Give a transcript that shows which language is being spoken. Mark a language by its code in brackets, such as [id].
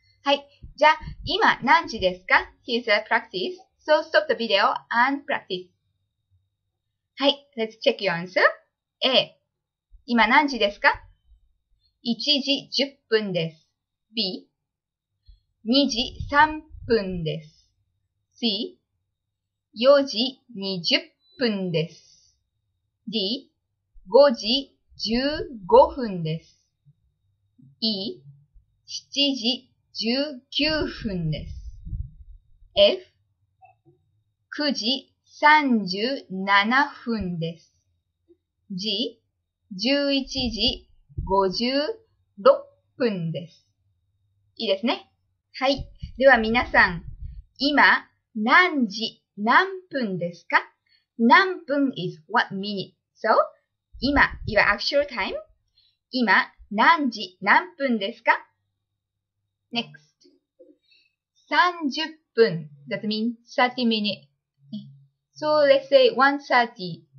[ja] はい、じゃあ、今何時ですか? [en] Here's a practice, so stop the video and practice. はい、let's check your answer. A. [ja] 今何時ですか ?1 時10分です。 B、2時3分です。 C、4時20分です。 D、5時15分です。 E、7時19分です。 F、9時37分です。 G、11時56分です。いいですね。はい。では皆さん、今何時何分ですか? [en] 何分 is what minute? So, 今、your actual time? [ja] 今何時何分ですか? [en] Next. [ja] 30分。 [en] That means 30 minutes. So, let's say 1:30.